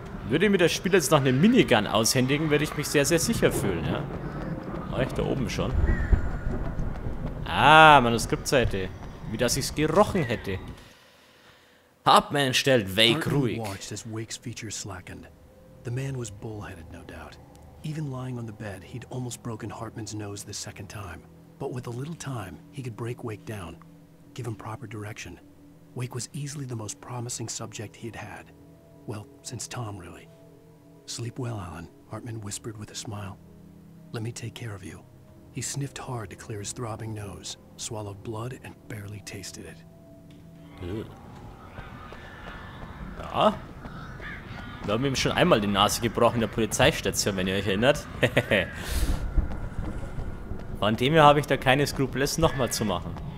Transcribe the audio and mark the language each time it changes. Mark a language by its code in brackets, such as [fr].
[de] Würde mir das Spiel jetzt noch eine Minigun aushändigen, würde ich mich sehr, sehr sicher fühlen, ja. War ich da oben schon? Ah, Manuskriptseite. Wie dass ich es gerochen hätte. Hauptmann stellt Wake ruhig. [en] Hartman watched as Wake's features slackened. The man was bullheaded, no doubt. Even lying on the bed, he'd almost broken Hartman's nose the second time. But with a little time, he could break Wake down. Give him proper direction. Wake was easily the most promising subject he'd had. Well, since Tom, really. Sleep well, Alan, Hartman whispered with a smile. Let me take care of you. He sniffed hard to clear his throbbing nose, swallowed blood and barely tasted it. [de] Ja. Wir haben ihm schon einmal die Nase gebrochen in der Polizeistation, wenn ihr euch erinnert. Von dem her habe ich da keine Skrupel, es nochmal zu machen.